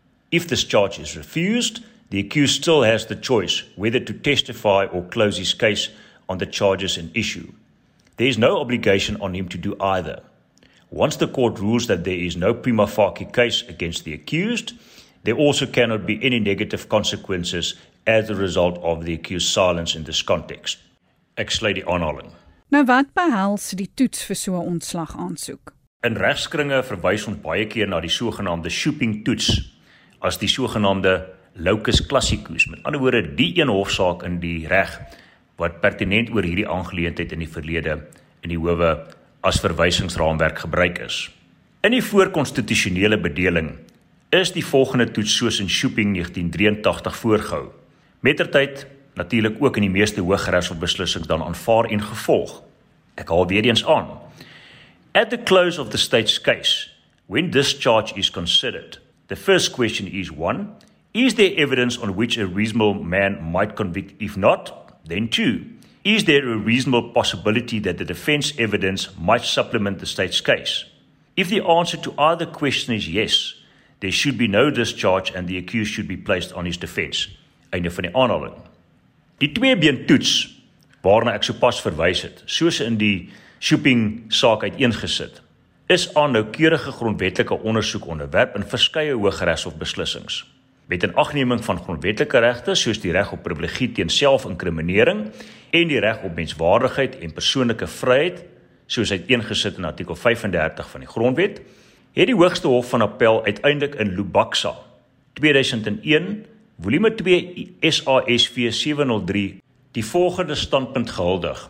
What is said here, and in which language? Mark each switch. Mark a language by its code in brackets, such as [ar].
[en] If this charge is refused, the accused still has the choice whether to testify or close his case on the charges in issue. There is no obligation on him to do either. Once the court rules that there is no prima facie case against the accused, there also cannot be any negative consequences as a result of the accused's silence in this context. [af] Ek sluit die aanhaling. Nou wat behels die toets vir so 'n ontslag aansoek? In regskringe verwys ons baie keer na die sogenaamde Schuping toets as die sogenaamde locus classicus. Met ander woorde, die een hofsaak in die reg wat pertinent oor hierdie aangeleentheid in die verlede in die howe as verwysingsraamwerk gebruik is. In die voorkonstitusionele bedeling is die volgende toets soos in Schuping 1983 voorgehou. Mettertyd natuurlik ook in die meeste hooggeregshofbeslissings dan aanvaar en gevolg. Ek haal weer eens aan. [en] At the close of the state's case, when discharge is considered, the first question is 1. Is there evidence on which a reasonable man might convict? If not, then 2. Is there a reasonable possibility that the defence evidence might supplement the state's case? If the answer to either question is yes, there should be no discharge and the accused should be placed on his defence. [af] Einde van die aanhaling. Die tweebeen toets, waarna ek sopas verwys het, soos in die Schuping saak uiteengesit, is aan noukeurige grondwetlike ondersoek onderwerp in verskeie hooggeregshofbeslissings. Met in agneming van grondwetlike regte, soos die reg op privilegie teen selfinkriminering en die reg op menswaardigheid en persoonlike vryheid, soos uiteengesit in artikel 35 van die grondwet, het die Hoogste Hof van Appel uiteindelik in Lubaksa 2001 Volume 2 SASV 703 die volgende standpunt gehuldig.